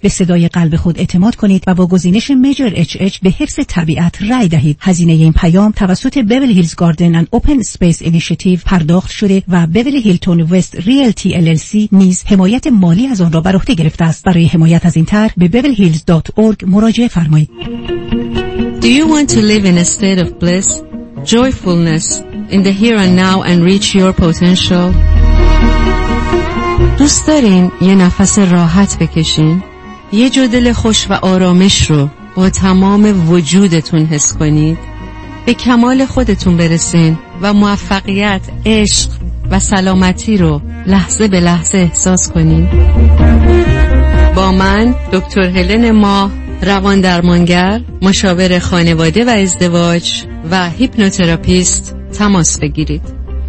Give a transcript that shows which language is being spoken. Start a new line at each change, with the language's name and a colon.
Persian: به صدای قلب خود اعتماد کنید و با گزینش میجر اچ اچ به حفظ طبیعت رای دهید. هزینه این پیام توسط بیورلی هیلز گاردن اند اوپن اسپیس اینیشیتیو پرداخت شده و بیورلی هیلتون وست ریلتی ال ال سی نیز حمایت مالی از آن را بر عهده گرفته است. برای حمایت از این طرح به beverlyhills.org مراجعه فرمایید.
English: Do you want to live in a state of bliss, joyfulness, in the here and now and reach your potential?
Persian: دوست دارین یه نفس راحت بکشین؟ یه جو دل خوش و آرامش رو با تمام وجودتون حس کنید؟ به کمال خودتون برسین و موفقیت، عشق و سلامتی رو لحظه به لحظه احساس کنین؟ با من، دکتر هلن ما، روان درمانگر، مشاور خانواده و ازدواج و هیپنوتراپیست تماس بگیرید.